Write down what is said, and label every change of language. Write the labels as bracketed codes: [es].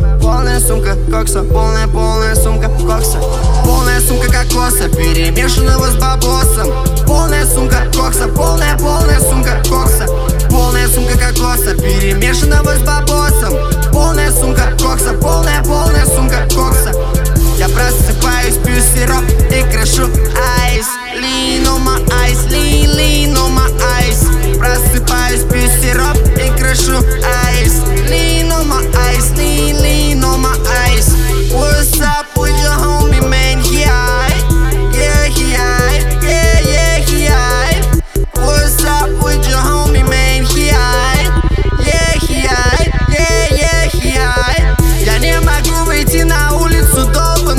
[ru] Полная сумка кокса, полная сумка кокса. Полная сумка кокоса, перемешанного с бабосом. Полная сумка кокса, полная сумка кокса. Полная сумка кокоса, перемешанного с бабосом. Полная сумка кокса, полная сумка кокса. Я просыпаюсь, пью сироп и крошу айс. [en] Lean on my ice, lean on my ice. [ru] Просыпаюсь, пью сироп и крошу айс. [en] Lean on my ice, lean on my ice. What's up with your homie, man? He high, yeah, he high, yeah, yeah, he high. What's up with your homie, man? He high, yeah, he high, yeah, yeah, he high. [ru] Я не могу выйти на улицу, долго.